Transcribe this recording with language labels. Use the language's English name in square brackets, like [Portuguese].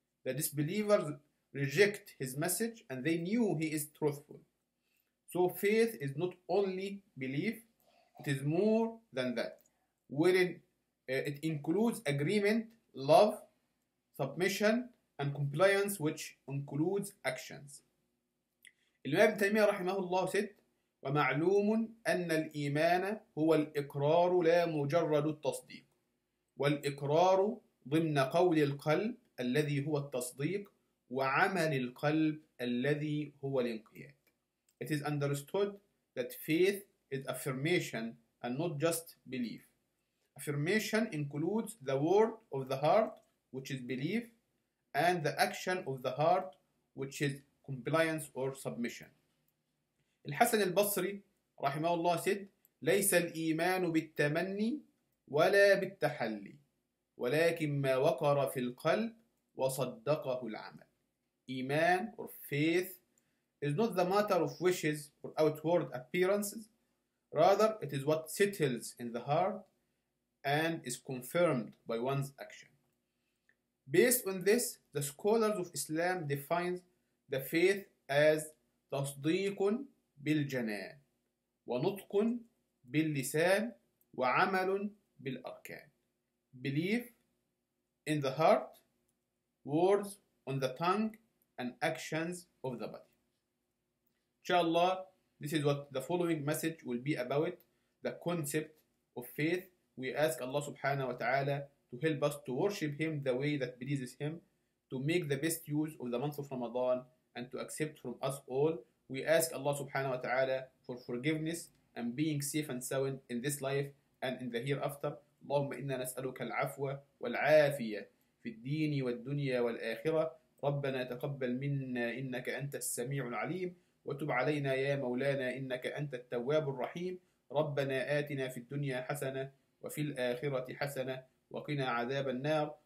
[English] The disbelievers reject his message and they knew he is truthful. So faith is not only belief. It is more than that. Wherein it includes agreement, love, submission, and compliance, which includes actions. [Arabic] الإمام ابن تيمية رحمه الله [English] said, [Arabic] ومعلوم أن الإيمان هو الإقرار لا مجرد التصديق والإقرار ضمن قول القلب الذي هو التصديق وعمل القلب الذي هو الانقياد. [English] It is understood that faith is affirmation and not just belief. Affirmation includes the word of the heart, which is belief, and the action of the heart, which is compliance or submission. [Arabic] الحسن البصري رحمه الله [English] said, [Arabic] ليس الإيمان بالتمني ولا بالتحلي ولكن ما وقر في القلب وصدقه العمل. [English] Iman or faith is not the matter of wishes or outward appearances. Rather, it is what settles in the heart and is confirmed by one's action. Based on this, the scholars of Islam define the faith as [Arabic] تصديق بالجنان ونطق باللسان وعمل بالأركان. [English] Belief in the heart, words on the tongue, and actions of the body. Inshallah, this is what the following message will be about, the concept of faith. We ask Allah subhanahu wa ta'ala to help us to worship Him the way that pleases Him, to make the best use of the month of Ramadan, and to accept from us all. We ask Allah subhanahu wa ta'ala for forgiveness and being safe and sound in this life and in the hereafter. [Arabic] اللهم إنا نسألك العفو والعافية في الدين والدنيا والآخرة. ربنا تقبل منا إنك أنت السميع العليم وتب علينا يا مولانا إنك أنت التواب الرحيم. ربنا آتنا في الدنيا حسنة وفي الآخرة حسنة وقنا عذاب النار.